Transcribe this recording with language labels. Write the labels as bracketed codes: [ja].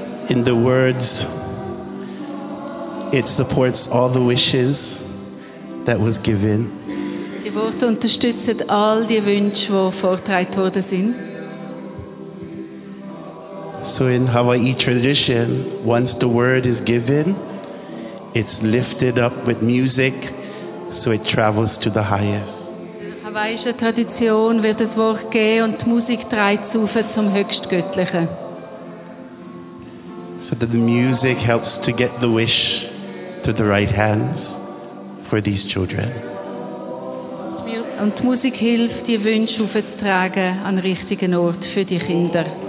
[en] In the words, it supports all the wishes that was given. [de] Die Worte unterstützen all die Wünsche, die vorgetragen worden sind. [en] So in Hawaii tradition, once the word is given, it's lifted up with music, so it travels to the highest. [de] In hawaiischer Tradition wird das Wort gegeben und die Musik trägt auf zum Höchstgöttlichen. [en] So that the music helps to get the wish to the right hands for these children. [de] Und die Musik hilft, die Wünsche aufzutragen an richtigen Ort für die Kinder.